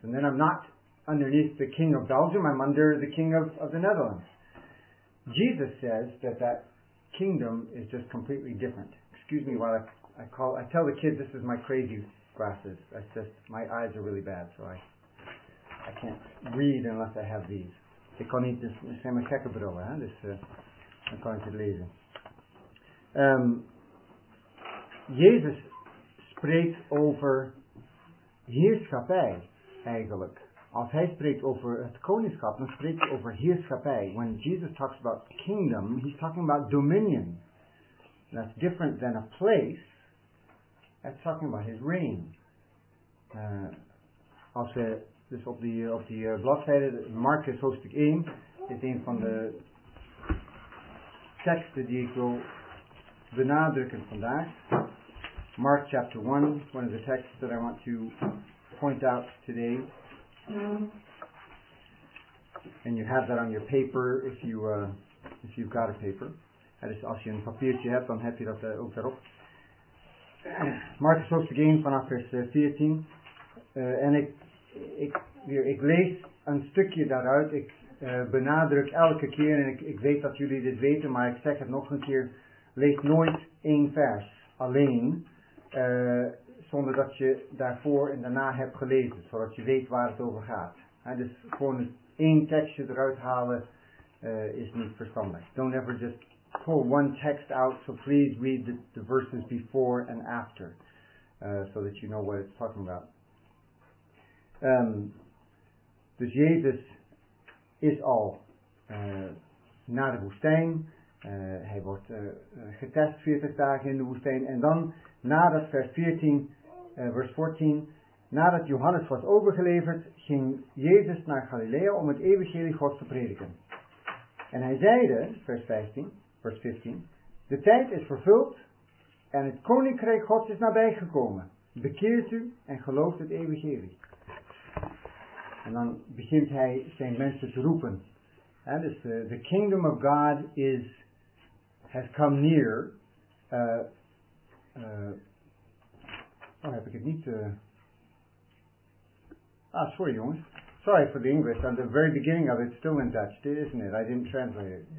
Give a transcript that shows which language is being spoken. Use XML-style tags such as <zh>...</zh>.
<en>And then I'm not underneath the king of Belgium, I'm under the king of the Netherlands. Jesus says that kingdom is just completely different. Excuse me while I tell the kids this is my crazy glasses. That's just, my eyes are really bad, so I can't read unless I have these.</en> <nl>Ik kan niet, dus zijn mijn gekke brillen, hè? Dus dan kan ik het lezen. Jezus spreekt over heerschappij eigenlijk. Als hij spreekt over het koningschap, dan spreekt hij over heerschappij.</nl> <en>When Jesus talks about kingdom, he's talking about dominion. That's different than a place. That's talking about his reign.</en> <nl>Als we dus op die bladzijde, Marcus hoofdstuk 1, is een van de teksten die ik wil benadrukken vandaag.</nl> <en>Mark chapter 1, one of the texts that I want to point out today. And you have that on your paper if you've got a paper.</en> <nl>Dat is als je een papiertje hebt, dan heb je dat ook daarop. Marcus hoofdstuk 1 vanaf vers 14. En ik lees een stukje daaruit. Ik benadruk elke keer, en ik weet dat jullie dit weten, maar ik zeg het nog een keer. Lees nooit één vers alleen. Zonder dat je daarvoor en daarna hebt gelezen, zodat je weet waar het over gaat. En dus gewoon één tekstje eruit halen is niet verstandig.</nl> <en>Don't ever just pull one text out, so please read the verses before and after, so that you know what it's talking about.</en> <nl>Dus Jezus is al naar de woestijn. Hij wordt getest 40 dagen in de woestijn. En dan, nadat vers 14... Vers 14, nadat Johannes was overgeleverd, ging Jezus naar Galilea om het evangelie God te prediken. En hij zeide, vers 15, de tijd is vervuld en het koninkrijk God is nabijgekomen. Bekeert u en gelooft het evangelie. En dan begint hij zijn mensen te roepen. En dus</nl> <en>the kingdom of God has come near.</en> <nl>Oh, heb ik het niet? Sorry jongens.</nl> <en>Sorry for the English. At the very beginning of it, still in Dutch, isn't it? I didn't translate it.</en>